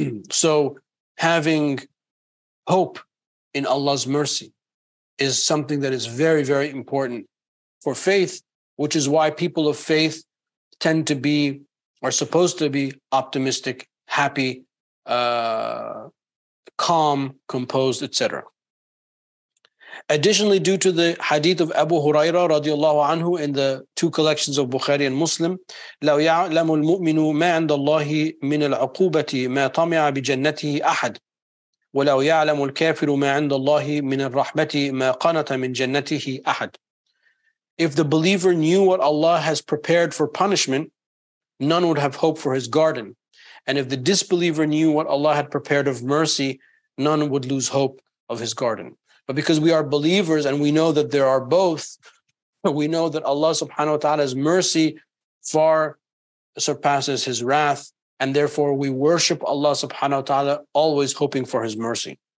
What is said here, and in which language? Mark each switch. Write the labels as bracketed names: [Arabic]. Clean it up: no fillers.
[English] So having hope in Allah's mercy is something that is very, very important for faith, which is why people of faith tend to be are supposed to be optimistic, happy, calm, composed, etc. Additionally, due to the hadith of Abu Huraira radiallahu anhu in the two collections of Bukhari and Muslim, [Arabic] لَوْ يَعْلَمُ الْمُؤْمِنُ مَا عَنْدَ اللَّهِ مِنَ الْعُقُوبَةِ مَا طَمِعَ بِجَنَّتِهِ أَحَدٍ وَلَوْ يَعْلَمُ الْكَافِرُ مَا عَنْدَ اللَّهِ مِنَ الرَّحْمَةِ مَا قَنَتَ مِنْ جَنَّتِهِ أَحَدٍ. [English] If the believer knew what Allah has prepared for punishment, none would have hope for his garden. And if the disbeliever knew what Allah had prepared of mercy, none would lose hope of his garden. But because we are believers and we know that there are both, we know that Allah subhanahu wa ta'ala's mercy far surpasses his wrath, and therefore we worship Allah subhanahu wa ta'ala always hoping for his mercy.